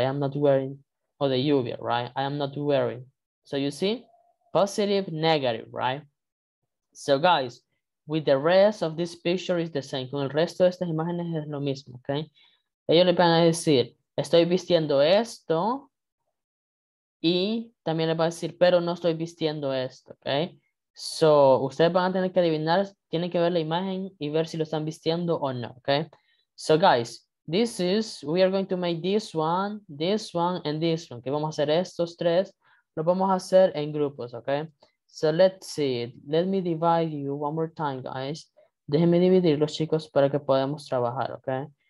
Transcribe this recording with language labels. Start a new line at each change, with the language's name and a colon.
English: I am not wearing,
Spanish: o de lluvia,
English: right? I am not wearing. So you see, positive, negative, right? So guys, with the rest of this picture is the same.
Spanish: Con el resto de estas imágenes es lo mismo, okay? Ellos le van a decir, estoy vistiendo esto, y también le van a decir, pero no estoy vistiendo esto, okay? So, ustedes van a tener que adivinar, tienen que ver la imagen y ver si lo están vistiendo o no, okay?
English: So, guys, this is, we are going to make this one, and this one, okay?
Spanish: Vamos a hacer estos tres, lo vamos a hacer en grupos, okay?
English: So, let's see, let me divide you one more time, guys.
Spanish: Déjenme dividir los chicos para que podamos trabajar, okay?